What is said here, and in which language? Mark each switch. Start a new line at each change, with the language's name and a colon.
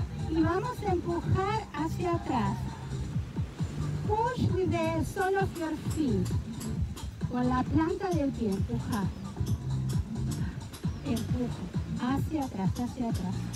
Spanish: Y vamos a empujar hacia atrás.
English: Push with the sole of your feet.
Spanish: Con la planta del pie, empujar. Empujo. Hacia atrás, hacia atrás.